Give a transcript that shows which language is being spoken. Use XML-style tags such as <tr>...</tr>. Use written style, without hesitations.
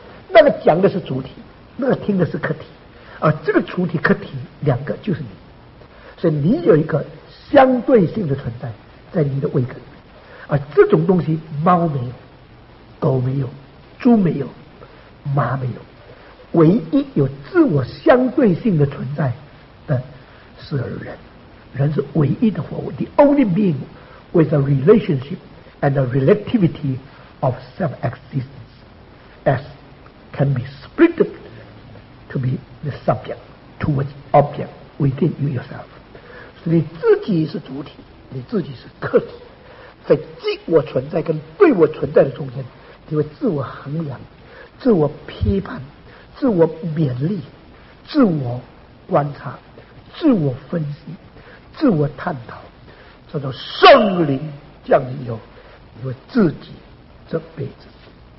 <zh>那个讲的是主体，那个听的是客体，而这个主体客体两个就是你，所以你有一个相对性的存在在你的位格里面。而这种东西猫没有，狗没有，猪没有，马没有，唯一有自我相对性的存在的是人。人是唯一的活物，</zh> <en>The only being with a relationship and a relativity of self-existence as can be split to be the subject towards object within you yourself。</en> <zh>所以你自己是主体，你自己是客体，在即我存在跟对我存在的中间，你会自我衡量，自我批判，自我勉励，自我观察，自我分析，自我探讨，叫做圣灵降临以后，你会自己责备自己。</zh>